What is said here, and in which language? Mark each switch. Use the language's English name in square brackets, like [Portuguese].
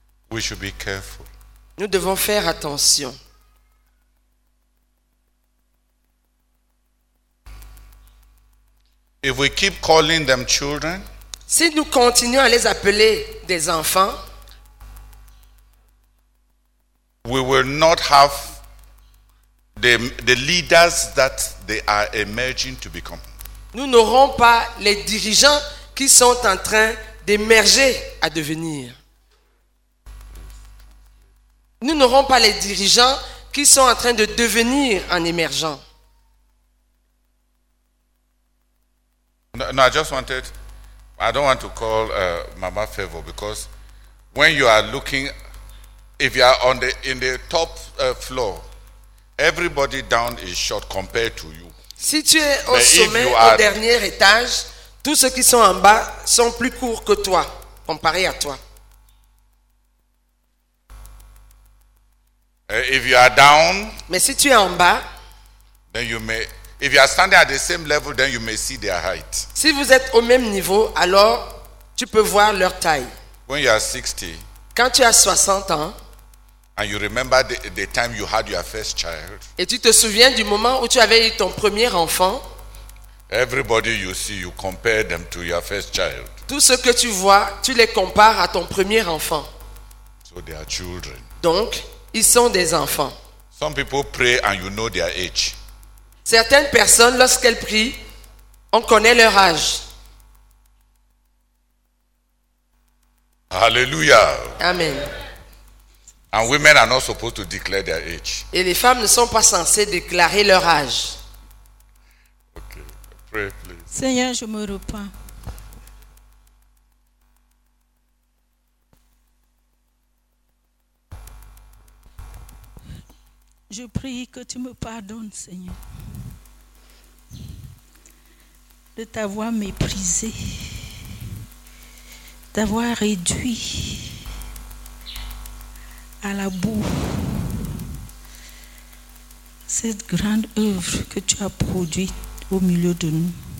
[English] We should be careful. [French] Nous devons faire attention. [English] If we keep calling them children, [French] si nous continuons à les appeler des enfants, [English] we will not have the leaders that they are emerging to become. [French] Nous n'aurons pas les dirigeants qui sont en train d'émerger à devenir. Nous n'aurons pas les dirigeants qui sont en train de devenir en émergeant. [English] No, I just wanted. I don't want to call Mama Favor, because when you are looking, if you are on the in the top floor, everybody down is short compared to you. [French] Si tu es au sommet, au dernier étage, tous ceux qui sont en bas sont plus courts que toi, comparé à toi. [English] If you are down, [French] mais si tu es en bas, [English] then you may. If you are standing at the same level, then you may see their height. [French] Si vous êtes au même niveau, alors tu peux voir leur taille. [English] When you are 60, [French] quand tu as 60 ans, [English] and you remember the time you had your first child, [French] et tu te souviens du moment où tu avais eu ton premier enfant, [English] everybody you see, you compare them to your first child. [French] Tout ce que tu vois, tu les compares à ton premier enfant. [English] So they are children. [French] Donc, ils sont des enfants. [English] Some people pray and you know their age. [French] Certaines personnes, lorsqu'elles prient, on connaît leur âge. Alléluia. Amen. [English] And women are not supposed to declare their age. [French] Et les femmes ne sont pas censées déclarer leur âge. [English] Okay. Pray, please. [French] Seigneur, je me repens. Je prie que tu me pardonnes, Seigneur, de t'avoir méprisé, d'avoir réduit à la boue cette grande œuvre que tu as produite au milieu de nous.